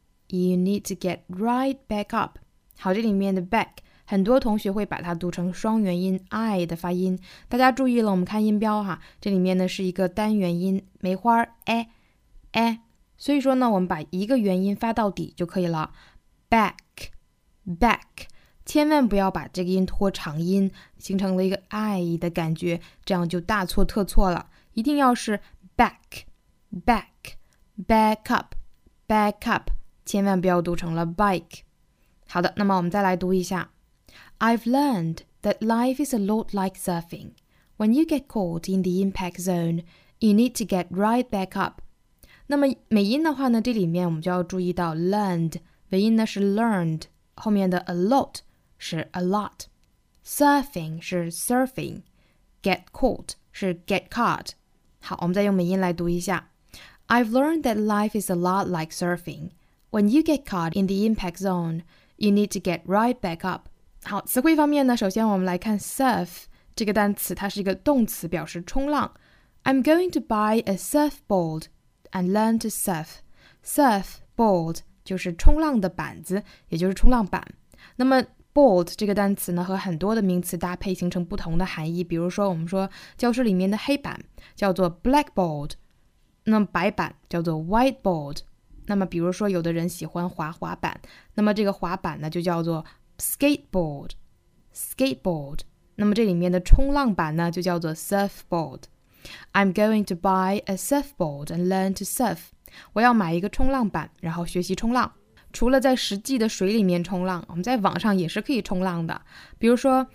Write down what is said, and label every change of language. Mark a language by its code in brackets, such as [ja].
[en] You need to get right back up. [zh] 好，这里面的 back， 很多同学会把它读成双元音 I 的发音。大家注意了，我们看音标哈，这里面呢是一个单元音梅花 a， 所以说呢，我们把一个元音发到底就可以了。 [en] Back， [zh] 千万不要把这个音拖长音，形成了一个 I 的感觉，这样就大错特错了。一定要是 back。 [en] Back up, [zh] 千万不要读成了 bike. 好的，那么我们再来读一下。 [en] I've learned that life is a lot like surfing. When you get caught in the impact zone, you need to get right back up. [zh] 那么美音的话呢，这里面我们就要注意到 learned, 尾音呢是 learned, 后面的 a lot 是 a lot, surfing 是 surfing, get caught 是 get caught. 好，我们再用美音来读一下。 [en] I've learned that life is a lot like surfing. When you get caught in the impact zone, you need to get right back up. [zh] 好，词汇方面呢，首先我们来看 surf 这个单词，它是一个动词，表示冲浪。 [en] I'm going to buy a surfboard and learn to surf. [zh] Surfboard 就是冲浪的板子，也就是冲浪板。那么 board 这个单词呢，和很多的名词搭配形成不同的含义。比如说，我们说教室里面的黑板叫做 blackboard。那么白板叫做 whiteboard 那么比如说有的人喜欢滑滑板那么这个滑板呢就叫做 skateboard 那么这里面的冲浪板呢就叫做 surfboard [en] I'm going to buy a surfboard and learn to surf [zh] 我要买一个冲浪板然后学习冲浪除了在实际的水里面冲浪我们在网上也是可以冲浪的比如说